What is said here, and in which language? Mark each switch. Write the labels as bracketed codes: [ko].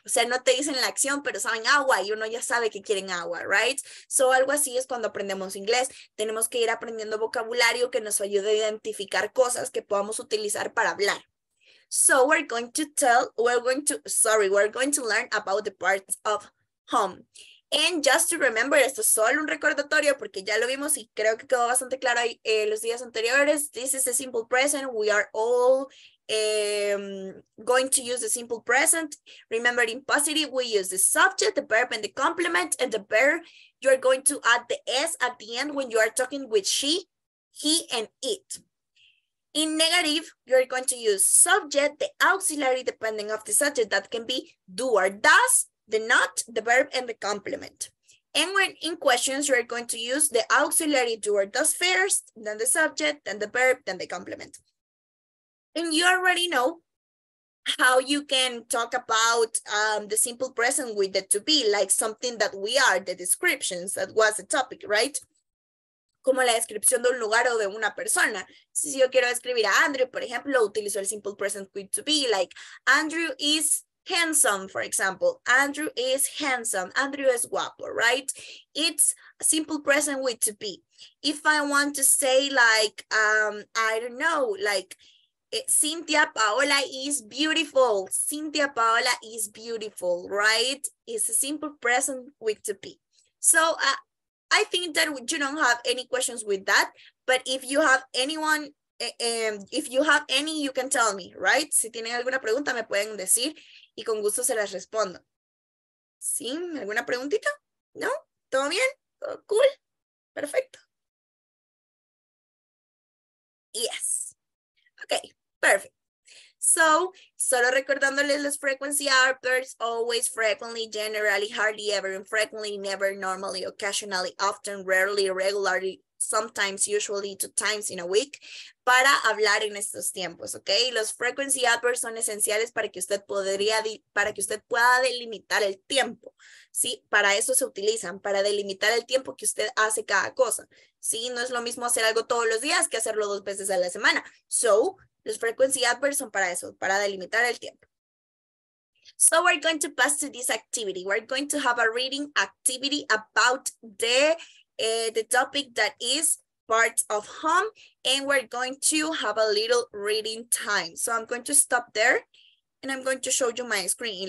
[es] O sea, no te dicen la acción, pero saben agua y uno ya sabe que quieren agua, right? So, algo así es cuando aprendemos inglés. Tenemos que ir aprendiendo vocabulario que nos ayude a identificar cosas que podamos utilizar para hablar. [en] So, we're going to learn about the parts of home. And just to remember, [es] esto es solo un recordatorio porque ya lo vimos y creo que quedó bastante claro los días anteriores. [en] This is the simple present. We are all going to use the simple present. Remember, in positive, we use the subject, the verb, and the complement. And the verb, you're going to add the S at the end when you are talking with she, he, and it. In negative, you're going to use subject, the auxiliary, depending of the subject. That can be do or does, the not, the verb, and the complement. And when in questions, you're going to use the auxiliary do or does first, then the subject, then the verb, then the complement. And you already know how you can talk about the simple present with the to be, like something that we are, the descriptions, that was the topic, right? [es] Como la descripción de un lugar o de una persona. Si yo quiero escribir a Andrew, por ejemplo, utilizo el [en] simple present with to be, like Andrew is handsome, for example. Andrew is handsome. [es] Andrew es guapo, [en] right? It's a simple present with to be. If I want to say like, I don't know, like, Cynthia Paola is beautiful. Cynthia Paola is beautiful, right? It's a simple present with to be. So I think that you don't have any questions with that. But if you have anyone, if you have any, you can tell me, right? [es] Si tienen alguna pregunta, me pueden decir y con gusto se las respondo. ¿Sí? ¿Alguna preguntita? ¿No? ¿Todo bien? ¿Todo cool? Perfecto. [en] Yes. Okay, perfect. So, [es] solo recordándoles las [en] frequency adverbs, always, frequently, generally, hardly ever, infrequently, never, normally, occasionally, often, rarely, regularly, sometimes, usually, two times in a week, [es] para hablar en estos tiempos, [en] okay? [es] Los frequency adverbs son esenciales para que usted pueda delimitar el tiempo, ¿sí? Para eso se utilizan, para delimitar el tiempo que usted hace cada cosa, ¿sí? No es lo mismo hacer algo todos los días que hacerlo dos veces a la semana. So, Los frequency adverbs son para eso, para delimitar el tiempo. [en] So we're going to pass to this activity. We're going to have a reading activity about the topic that is part of home, and we're going to have a little reading time. So I'm going to stop there and I'm going to show you my screen.